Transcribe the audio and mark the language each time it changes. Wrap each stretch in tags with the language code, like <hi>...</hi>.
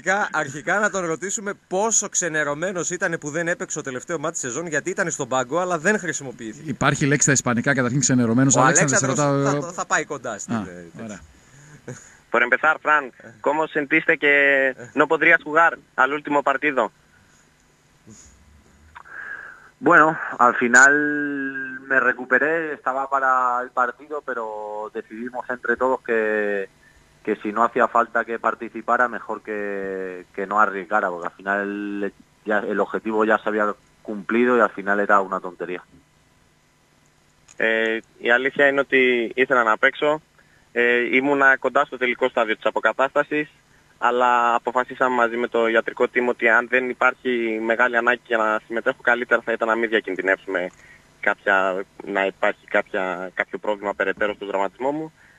<el>Αρχικά να τον ρωτήσουμε πόσο ξενερωμένος ήταν που δεν έπαιξε το τελευταίο μάτι σεζόν, γιατί ήταν στον πάγκο, αλλά δεν χρησιμοποιήθηκε. Υπάρχει λέξη στα ισπανικά, καταρχήν ξενερωμένος. Ο Αλέξανδρος θα πάει κοντά.</el> <es>Por empezar, Fran, ¿cómo sentiste que no podrías jugar al último partido? Bueno, al final me recuperé, estaba para el partido, pero decidimos entre todos que si no hacía falta que participara, mejor que no arriesgara, porque al final ya, el objetivo ya se había cumplido y al final era una tontería. Y Alicia, ¿no te hicieron en apexo?</es> <el>Ήμουνα κοντά στο τελικό στάδιο της αποκατάστασης, αλλά αποφασίσαμε μαζί με το ιατρικό τίμο ότι αν δεν υπάρχει μεγάλη ανάγκη για να συμμετέχω καλύτερα, θα ήταν να μην διακινδυνεύσουμε να υπάρχει κάποιο πρόβλημα περαιτέρω στον τραυματισμό μου.</el>